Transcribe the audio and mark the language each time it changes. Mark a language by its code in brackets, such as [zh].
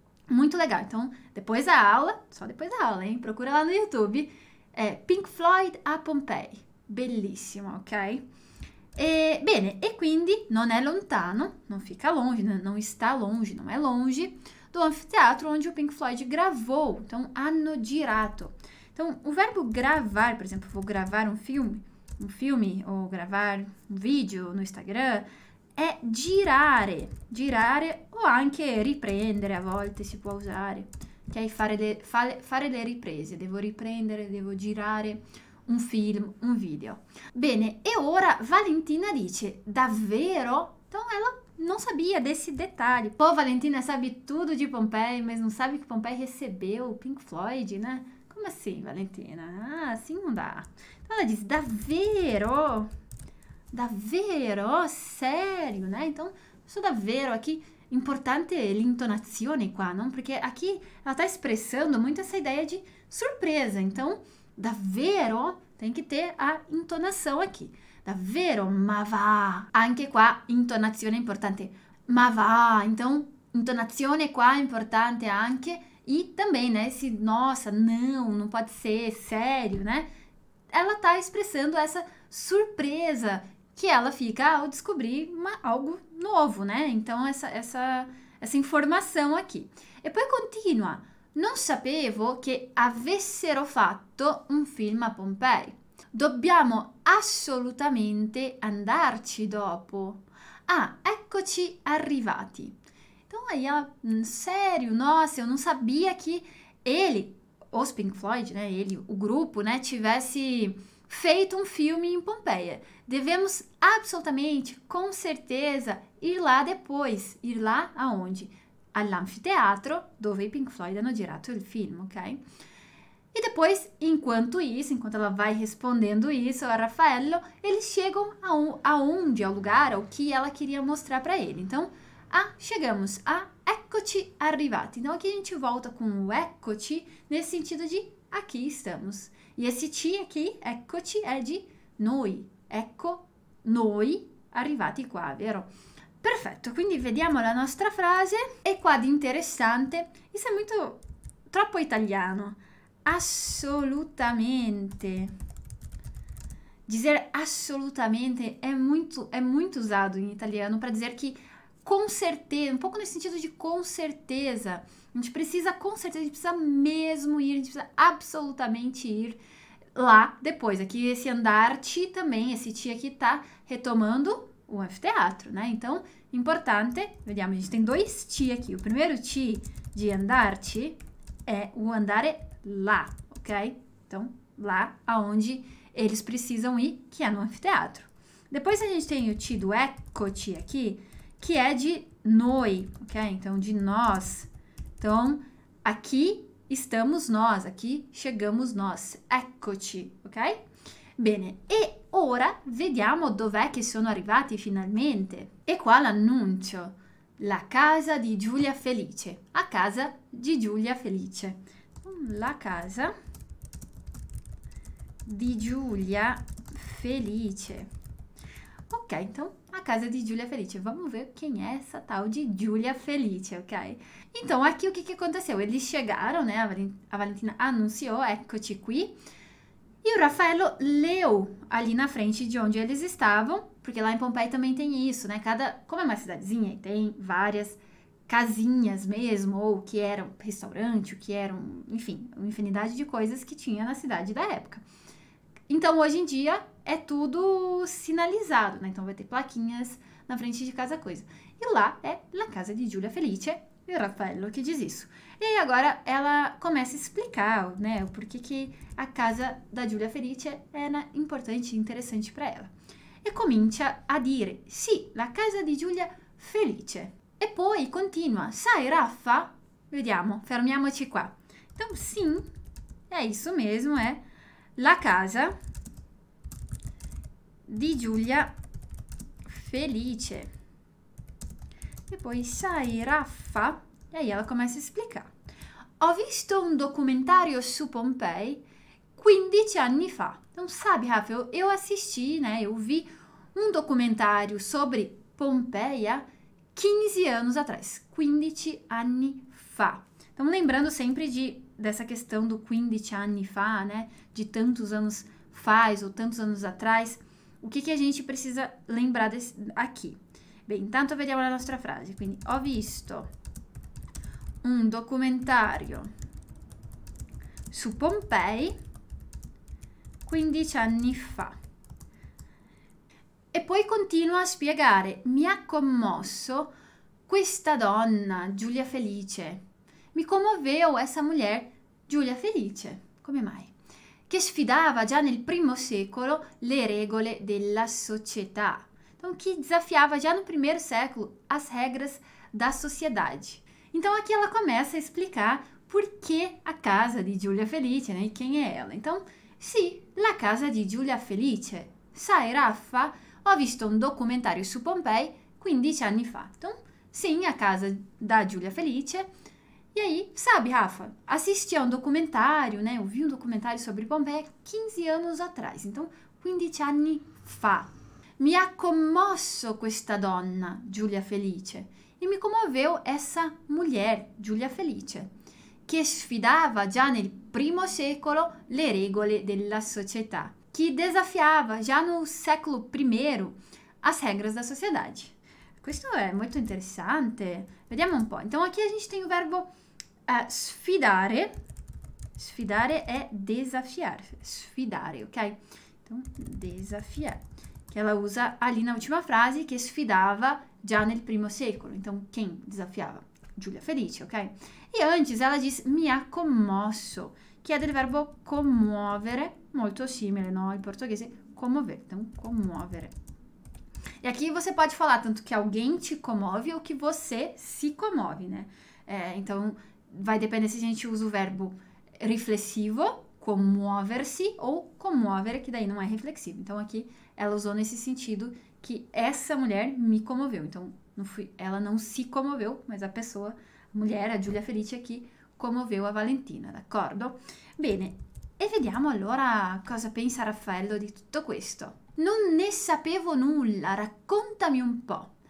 [pt] Muito legal, então, depois da aula, só depois da aula, hein, procura lá no YouTube, é Pink Floyd a Pompeia, bellissimo, ok? [it] E, bene, e quindi non è lontano, non [pt] fica longe, [it] non sta longe, non è longe, [pt] do anfiteatro onde o Pink Floyd gravou, então [it] hanno girato. [pt] Então, o verbo gravar, por exemplo, vou gravar um filme ou gravar um vídeo no Instagram, [it] é girare, girare ou anche riprendere, a volte si può usare, che è fare le riprese, devo riprendere, devo girare un film, un video. Bene, e ora Valentina dice, davvero? [pt] Então ela não sabia desse detalhe. Pô, Valentina sabe tudo de Pompeia, mas não sabe que Pompeia recebeu o Pink Floyd, né? Como assim, Valentina? Ah, assim não dá. Então ela diz, davvero? Davvero? Sério, né? Então, sou davvero aqui. [it] Importante l'intonazione qua, não? [pt] Porque aqui ela tá expressando muito essa ideia de surpresa. Então, davvero? Tem que ter a entonação aqui. [it] Davvero? Ma va! Anche qua, intonazione è importante. Ma va! Então, intonazione qua è importante anche. [pt] E também, né? Esse, nossa, não pode ser, sério, né? Ela tá expressando essa surpresa que ela fica ao descobrir algo novo, né? Então, essa informação aqui. [it] E poi continua. Non sapevo che avessero fatto un film a Pompei. Dobbiamo assolutamente andarci dopo. Ah, eccoci arrivati. [pt] Então, aí ela, sério, nossa, eu não sabia que ele, o Pink Floyd, né, ele, o grupo, né, tivesse feito um filme em Pompeia. Devemos absolutamente, com certeza, ir lá depois. Ir lá aonde? [it] All'anfiteatro, dove i Pink Floyd hanno girato il film, ok? [pt] E depois, enquanto isso, enquanto ela vai respondendo isso a Raffaello, eles chegam aonde, ao lugar, ao que ela queria mostrar para ele. Então, ah, chegamos, [it] ah, eccoci arrivati. [pt] Então, aqui a gente volta com o eccoci nesse sentido de aqui estamos. E esse ci aqui, eccoci, é de noi. [it] Ecco noi arrivati qua, vero? Perfetto, quindi vediamo la nostra frase. E qua di interessante, isso è molto troppo italiano. Assolutamente. [pt] Dizer assolutamente [it] è molto usato in italiano [pt] para dizer que com certeza, um pouco nesse sentido de com certeza. A gente precisa com certeza, a gente precisa mesmo ir, a gente precisa absolutamente ir lá depois. Aqui esse andar-te também, esse ti aqui tá retomando o anfiteatro, né? Então, importante, vediamo, a gente tem dois ti aqui. O primeiro ti de andar-te é o andare lá, ok? Então, lá aonde eles precisam ir, que é no anfiteatro. Depois a gente tem o ti do eccoci aqui, que é de noi, ok? Então, de nós. Então, aqui estamos nós, aqui chegamos nós. Eccoci, ok? [it] Bene, e ora vediamo dov'è che sono arrivati finalmente. E qua l'annuncio. La casa di Giulia Felice. A casa di Giulia Felice. La casa di Giulia Felice. [pt] Ok, então, a casa di Giulia Felice. Vamos ver quem é essa tal de Giulia Felice, ok? Então, aqui o que aconteceu? Eles chegaram, né? A Valentina anunciou, eccoci qui. E o Raffaello leu ali na frente de onde eles estavam, porque lá em Pompei também tem isso, né? Como é uma cidadezinha, tem várias casinhas mesmo, ou o que era um restaurante, o que era um, enfim, uma infinidade de coisas que tinha na cidade da época. Então, hoje em dia, é tudo sinalizado, né? Então, vai ter plaquinhas na frente de casa coisa. E lá é la casa di Giulia Felice, e o Raffaello que diz isso. E aí, agora, ela começa a explicar, né? O porquê que a casa da Giulia Felice era importante e interessante para ela. [it] E comincia a dire, sì, la casa di Giulia Felice. E poi continua, sai, Raffa? Vediamo, fermiamoci qua. [pt] Então, sim, è isso mesmo, è la casa di Giulia Felice. [it] E poi, sai, Raffa? [pt] E aí ela começa a explicar. [it] Ho visto un documentario su Pompei 15 anni fa. [pt] Então, sabe, Rafa, eu assisti, né? Eu vi um documentário sobre Pompeia 15 anos atrás. [it] 15 anni fa. [pt] Então, lembrando sempre dessa questão do 15 anni fa, né? De tantos anos faz ou tantos anos atrás. O que que a gente precisa lembrar aqui? [it] Bem, intanto vediamo la nostra frase. Quindi, ho visto un documentario su Pompei 15 anni fa. E poi continua a spiegare: mi ha commosso questa donna, Giulia Felice. Mi commoveva questa mulher, Giulia Felice. Come mai? Che sfidava già nel primo secolo le regole della società. [pt] Então, che desafiava già no primeiro secolo as regras da sociedade. Então, aqui ela começa a explicar por que a casa de Giulia Felice, né? E quem é ela? [it] Então, sì, la casa di Giulia Felice. Sai, Raffa, ho visto un documentario su Pompei 15 anni fa. [pt] Então, sim, a casa da Giulia Felice. E aí, sabe, Raffa, assisti a um documentário, né? Eu vi um documentário sobre Pompei 15 anos atrás. Então, 15 anni fa. [it] Mi ha commosso questa donna, Giulia Felice. E mi commoveva [pt] essa mulher, [it] Giulia Felice, che sfidava già nel primo secolo le regole della società. Che [pt] que desafiava já no século I as regras da sociedade. [it] Questo è molto interessante. Vediamo un po'. [pt] Então, aqui a gente tem o verbo sfidare. Sfidare é desafiar. Sfidare, ok? Então, desafiar. Que ela usa ali na última frase, que sfidava já [it] nel primo secolo. [pt] Então, quem desafiava? Giulia Felice, ok? E antes, ela diz mi ha commosso, que é [it] del verbo commuovere, molto simile, no? Il portoghese, commover. [pt] Então, commuovere. E aqui você pode falar tanto que alguém te comove ou que você se comove, né? Então, vai depender se a gente usa o verbo reflexivo, commuoversi, ou commuovere, que daí não é reflexivo. Então, aqui ela usou nesse sentido que essa mulher me comoveu. Então, não fui, ela não se comoveu, mas a pessoa, a mulher, a Giulia Felice, aqui comoveu a Valentina, [it] d'accordo? Bene, e vediamo allora cosa pensa Raffaello di tutto questo. Non ne sapevo nulla, raccontami un po'.